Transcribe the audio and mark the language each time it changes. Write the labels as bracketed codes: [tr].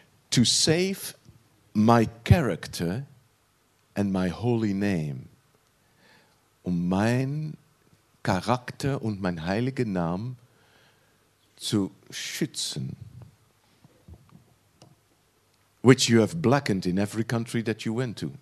[en] To save my character and my holy name. [de] Um meinen Charakter und meinen heiligen Namen zu schützen. [en] Which you have blackened in every country that you went to.